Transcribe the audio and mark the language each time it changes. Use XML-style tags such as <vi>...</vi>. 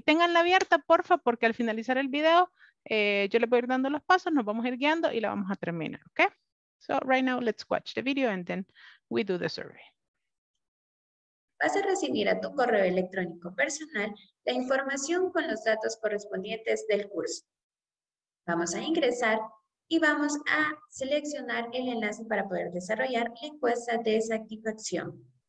<es>Ténganla abierta, porfa, porque al finalizar el video, yo les voy a ir dando los pasos, nos vamos a ir guiando y la vamos a terminar, okay?</es> <en>So right now, let's watch the video and then we do the survey.</en> <es>Vas a recibir a tu correo electrónico personal la información con los datos correspondientes del curso. Vamos a ingresar y vamos a seleccionar el enlace para poder desarrollar la encuesta de satisfacción.</es>